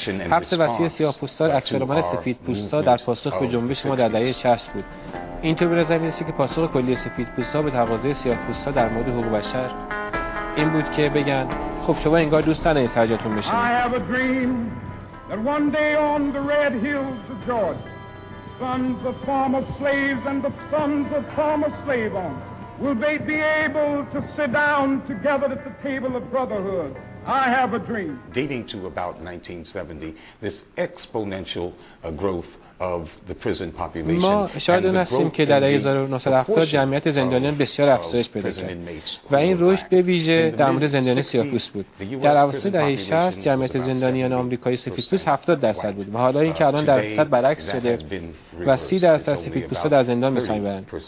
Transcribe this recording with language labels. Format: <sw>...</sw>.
<fa>حبس وسیع سیاه‌پوستان اکثرمان سفیدپوستا در پاسخ به جنبش ما در دهه 60 بود. اینطور به نظر میرسه که پاسخ کلی سفیدپوستا به تقاضای سیاه‌پوستا در مورد حقوق بشر این بود که بگن خب شما انگار دوستان این سرجاتون بشینید.</fa> <en>That one day on the red hills of Georgia, sons of former slaves and the sons of former slave owners will they be able to sit down together at the table of brotherhood. I have a dream. Dating to about 1970, this exponential growth of the prison population.</en> <fa>ما شاید اون هستیم که در 1970 جمعیت زندانیان بسیار افزایش پیدا کرد و این رشد به ویژه در مورد زندانیان سیاه‌پوست بود. در اواسط دهه 60 جمعیت زندانیان آمریکایی سفیدپوست 70% بود و حالا اینکه الان در صد برعکس شده و 30% سفیدپوست در زندان به سر می‌برند.</fa>